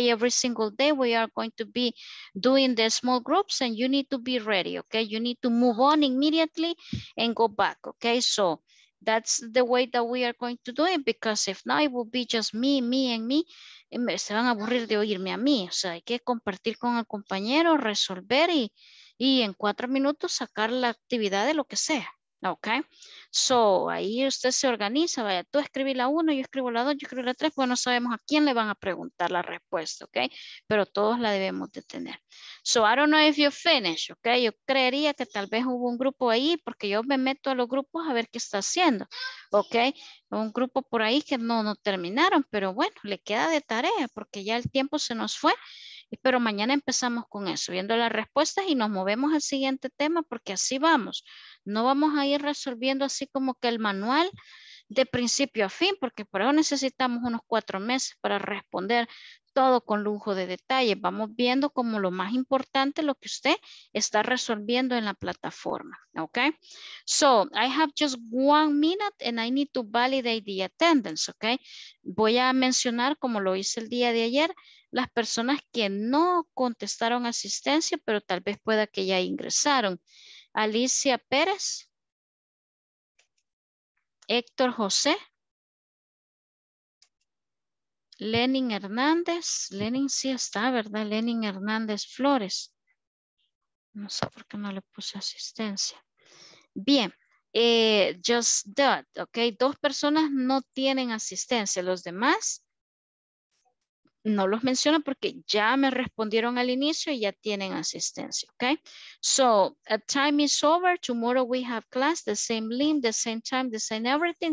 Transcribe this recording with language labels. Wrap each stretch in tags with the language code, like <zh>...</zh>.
<en>Every single day we are going to be doing the small groups and you need to be ready, ¿ok? You need to move on immediately and go back, ¿ok? So, that's the way that we are going to do it, because if not, it will be just me.</en> <es>Se van a aburrir de oírme a mí. O sea, hay que compartir con el compañero, resolver y en 4 minutos sacar la actividad de lo que sea. Ok. So, ahí usted se organiza. Vaya, tú escribí la 1, yo escribo la 2, yo escribo la 3. Bueno, sabemos a quién le van a preguntar la respuesta.</es> <en>Ok.</en> <es>Pero todos la debemos de tener.</es> <en>So, I don't know if you finish. Ok.</en> <es>Yo creería que tal vez hubo un grupo ahí porque yo me meto a los grupos a ver qué está haciendo. Ok. Un grupo por ahí que no terminaron. Pero bueno, le queda de tarea porque ya el tiempo se nos fue. Pero mañana empezamos con eso, viendo las respuestas y nos movemos al siguiente tema porque así vamos. No vamos a ir resolviendo así como que el manual de principio a fin, porque por eso necesitamos unos 4 meses para responder todo con lujo de detalle. Vamos viendo como lo más importante lo que usted está resolviendo en la plataforma. Ok.</es> <en>So, I have just 1 minute and I need to validate the attendance. Ok.</en> <es>Voy a mencionar, como lo hice el día de ayer, las personas que no contestaron asistencia, pero tal vez pueda que ya ingresaron. Alicia Pérez. Héctor José. Lenin Hernández. Lenin sí está, ¿verdad? Lenin Hernández Flores. No sé por qué no le puse asistencia. Bien,</es> <en>just that, ok.</en> <es>Dos personas no tienen asistencia. Los demás no los menciono porque ya me respondieron al inicio y ya tienen asistencia, ok.</es> <en>So, time is over. Tomorrow we have class, the same link, the same time, the same everything.</en>